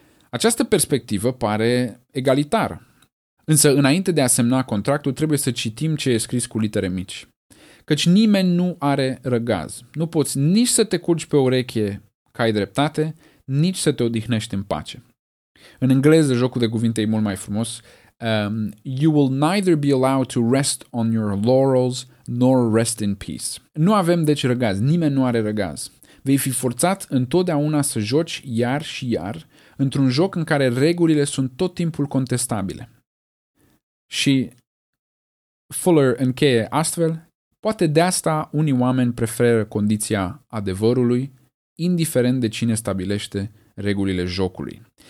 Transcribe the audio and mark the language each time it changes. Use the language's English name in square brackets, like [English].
[Romanian] Această perspectivă pare egalitară. Însă, înainte de a semna contractul, trebuie să citim ce e scris cu litere mici. Căci nimeni nu are răgaz. Nu poți nici să te culci pe ureche că ai dreptate, nici să te odihnești în pace. În engleză, jocul de cuvinte e mult mai frumos. [English] You will neither be allowed to rest on your laurels nor rest in peace. [Romanian] Nu avem deci răgaz, nimeni nu are răgaz. Vei fi forțat întotdeauna să joci iar și iar într-un joc în care regulile sunt tot timpul contestabile. Și Fuller încheie astfel, poate de asta unii oameni preferă condiția adevărului, indiferent de cine stabilește regulile jocului.